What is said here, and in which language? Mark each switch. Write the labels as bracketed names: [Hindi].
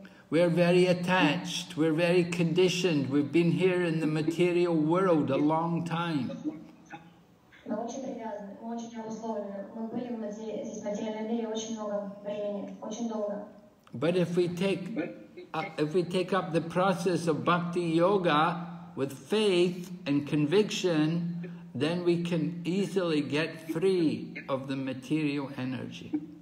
[English] We are very attached, we are very conditioned, we've been here in the material world a long time. [Russian] очень привязаны, мы очень обусловлены. Мы были в здесь в материальном мире очень много времени, очень долго. [English] But if we take if we take up the process of bhakti yoga with faith and conviction, then we can easily get free of the material energy.